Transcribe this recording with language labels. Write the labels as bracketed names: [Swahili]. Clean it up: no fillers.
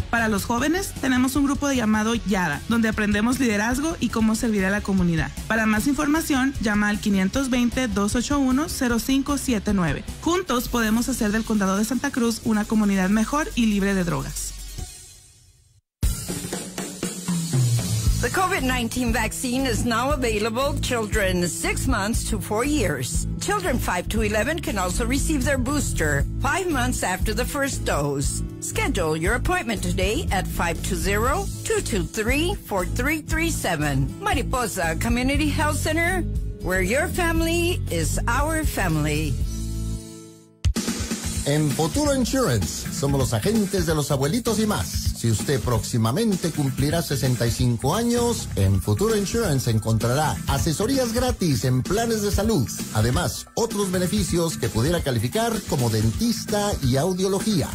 [Spanish] Para los jóvenes tenemos un grupo llamado YADA, donde aprendemos liderazgo y cómo servir a la comunidad. Para más información, llama al 520-281-0579. Juntos podemos hacer del Condado de Santa Cruz una comunidad mejor y libre de drogas. [English] The COVID-19 vaccine is now available children 6 months to 4 years. Children 5 to 11 can also receive their booster 5 months after the first dose. Schedule your appointment today at 520-223-4337. Mariposa Community Health Center, where your family is our family. [Spanish] En Futuro Insurance, somos los agentes de los abuelitos y más. Si usted próximamente cumplirá 65 años, en Futuro Insurance encontrará asesorías gratis en planes de salud. Además, otros beneficios que pudiera calificar como dentista y audiología.